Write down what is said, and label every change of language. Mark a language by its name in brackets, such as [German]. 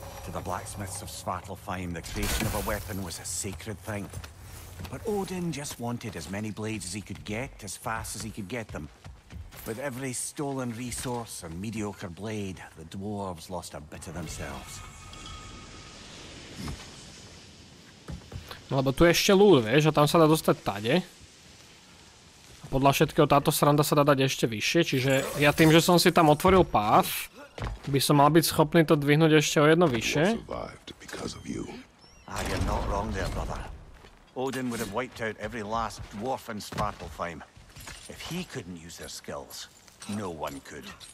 [English] To the blacksmiths of Svartalfheim, the creation of a weapon was a sacred thing. But Odin just wanted as many blades as he could get, as fast as he could get them. With every stolen resource and mediocre blade, the dwarves lost a bit of themselves. [Slovak] No, lebo tu je ešte lúd, vieš, a tam sa dá dostať tade. A podľa všetkého táto sranda sa dá dať ešte vyššie, čiže ja tým, že som si tam otvoril path, by som mal byť schopný to dvihnúť ešte o jedno vyššie? [English] You're not wrong there, brother. Odin would have wiped out every last dwarf in Svartalfheim. If he couldn't use their skills, no one could.